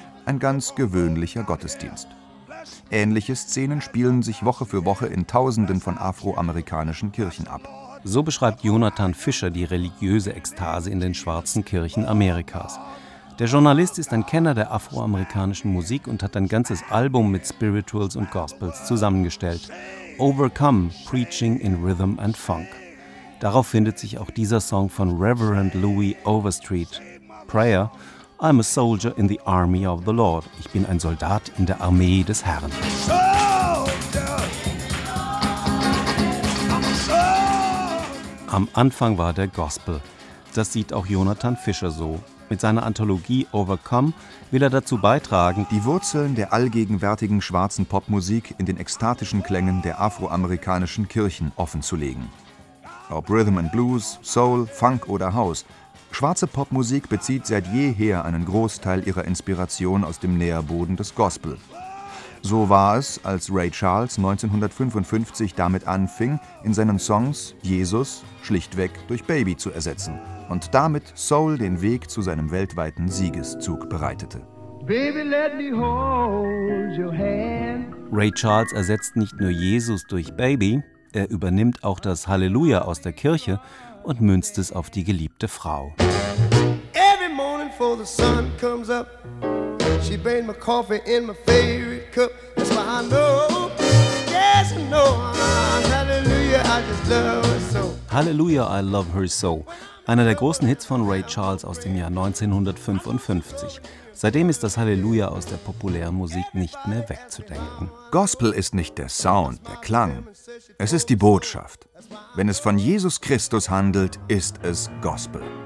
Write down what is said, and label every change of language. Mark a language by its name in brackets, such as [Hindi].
[German] Ein ganz gewöhnlicher Gottesdienst. Ähnliche Szenen spielen sich Woche für Woche in Tausenden von afroamerikanischen Kirchen ab. So beschreibt Jonathan Fischer die religiöse Ekstase in den schwarzen Kirchen Amerikas. Der Journalist ist ein Kenner der afroamerikanischen Musik und hat ein ganzes Album mit Spirituals und Gospels zusammengestellt. [English] Overcome, Preaching in Rhythm and Funk. [German] Darauf findet sich auch dieser Song von Reverend Louis Overstreet. [English] Prayer, I'm a soldier in the army of the Lord. [German] Ich bin ein Soldat in der Armee des Herrn. Am Anfang war der Gospel. Das sieht auch Jonathan Fischer so. Mit seiner Anthologie Overcome will er dazu beitragen, die Wurzeln der allgegenwärtigen schwarzen Popmusik in den ekstatischen Klängen der afroamerikanischen Kirchen offenzulegen. Ob Rhythm and Blues, Soul, Funk oder House, schwarze Popmusik bezieht seit jeher einen Großteil ihrer Inspiration aus dem Nährboden des Gospel. So war es, als Ray Charles 1955 damit anfing, in seinen Songs Jesus schlichtweg durch Baby zu ersetzen und damit Soul den Weg zu seinem weltweiten Siegeszug bereitete. [English] Baby, let me hold your hand. [German] Ray Charles ersetzt nicht nur Jesus durch Baby, er übernimmt auch das Halleluja aus der Kirche und münzt es auf die geliebte Frau. [English] Every morning before the sun comes up, she made my coffee in my favorite cup. That's why I know, yes, I know, hallelujah, I just love her so. Hallelujah, I love her so. [German] Einer der großen Hits von Ray Charles aus dem Jahr 1955. Seitdem ist das Halleluja aus der populären Musik nicht mehr wegzudenken. Gospel ist nicht der Sound, der Klang. Es ist die Botschaft. Wenn es von Jesus Christus handelt, ist es Gospel.